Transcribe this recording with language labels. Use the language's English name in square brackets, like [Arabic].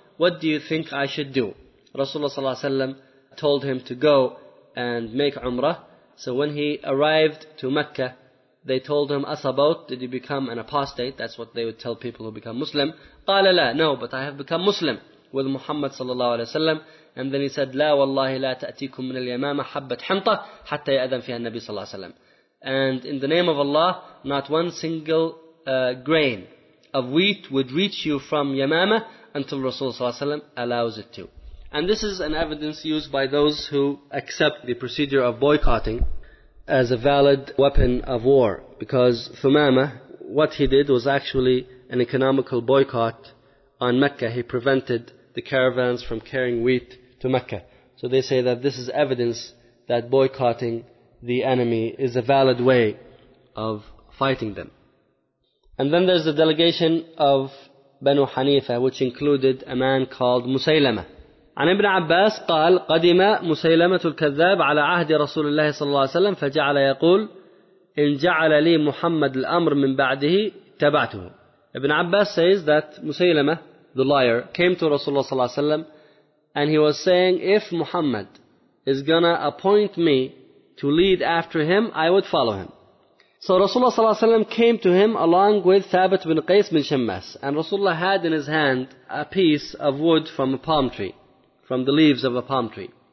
[English] What do you think I should do? Rasulullah صلى الله عليه وسلم told him to go and make Umrah. So when he arrived to Mecca, they told him, [Arabic] أصبوت, [English] did you become an apostate? That's what they would tell people who become Muslim. [Arabic] قال لا, [English] no, but I have become Muslim with Muhammad صلى الله عليه وسلم. And then he said, [Arabic] لا والله لا تأتيكم من اليمامة حبة حنطة حتى يأذن فيها النبي صلى الله عليه وسلم. [English] And in the name of Allah, not one single grain of wheat would reach you from Yamama until Rasulullah صلى الله عليه وسلم allows it to. And this is an evidence used by those who accept the procedure of boycotting as a valid weapon of war. Because Thumama, what he did was actually an economical boycott on Mecca. He prevented the caravans from carrying wheat to Mecca. So they say that this is evidence that boycotting the enemy is a valid way of fighting them. And then there's a delegation of Banu Hanifa, which included a man called Musaylama. [Arabic] عن ابن عباس قال قدم مسيلمة الكذاب على عهد رسول الله صلى الله عليه وسلم فجعل يقول إن جعل لي محمد الأمر من بعده تبعته. [English] Ibn Abbas says that Musaylama, the liar, came to Rasulullah صلى الله عليه وسلم and he was saying, if Muhammad is gonna appoint me to lead after him, I would follow him. So Rasulullah صلى الله عليه وسلم came to him along with Thabit bin Qais bin Shammas, and Rasulullah had in his hand a piece of wood from a palm tree, from the leaves of a palm tree.